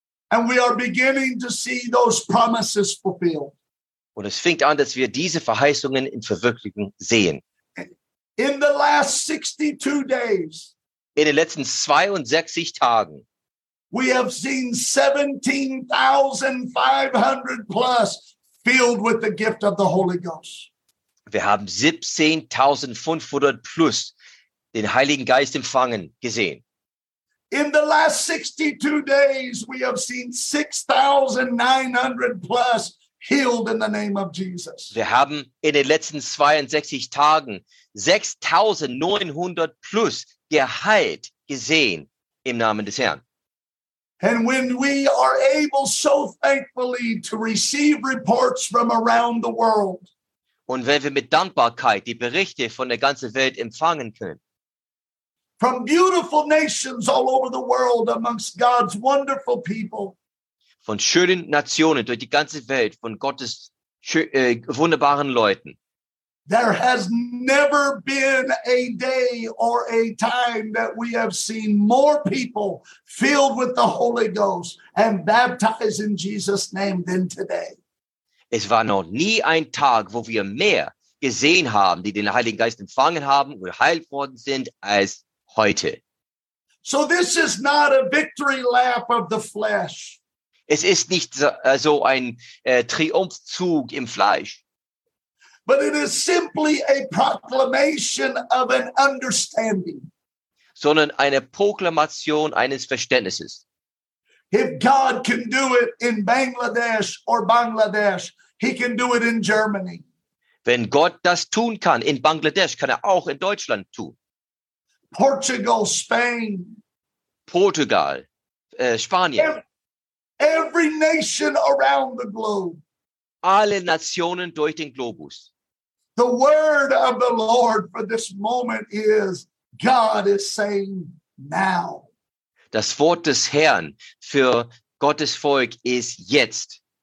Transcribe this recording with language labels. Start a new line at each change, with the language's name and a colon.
English: And we are beginning to see those promises fulfilled.
German: Und es fängt an, dass wir diese Verheißungen in Verwirklichung sehen.
English: In the last 62 days,
German: in den letzten 62 Tagen,
English: we have seen 17,500 plus filled with the gift of the Holy Ghost.
German: Wir haben 17,500 plus den Heiligen Geist empfangen gesehen.
English: In the last 62 days, we have seen 6,900 plus healed in the name of Jesus.
German: Wir haben in den letzten 62 Tagen 6,900 plus geheilt gesehen im Namen des Herrn.
English: And when we are able so thankfully to receive reports from around the world,
German: und wenn wir mit Dankbarkeit die Berichte von der ganzen Welt empfangen können.
English: From beautiful nations all over the world amongst God's wonderful people.
German: Von schönen Nationen durch die ganze Welt, von Gottes wunderbaren Leuten.
English: There has never been a day or a time that we have seen more people filled with the Holy Ghost and baptized in Jesus' name than today.
German: Es war noch nie ein Tag, wo wir mehr gesehen haben, die den Heiligen Geist empfangen haben und geheilt worden sind, als heute.
English: So this is not a victory lap of the flesh.
German: Es ist nicht so ein Triumphzug im Fleisch.
English: But it is simply a proclamation of an understanding.
German: Sondern eine Proklamation eines Verständnisses.
English: If God can do it in Bangladesh or Bangladesh, he can do it in Germany.
German: Wenn Gott das tun kann in Bangladesch, kann er auch in Deutschland tun.
English: Portugal, Spain.
German: Portugal, Spanien.
English: Every nation around the globe.
German: Alle Nationen durch den Globus.
English: The word of the Lord for this moment is, God is saying now.
German: Das Wort des Herrn für Gottes Volk ist jetzt.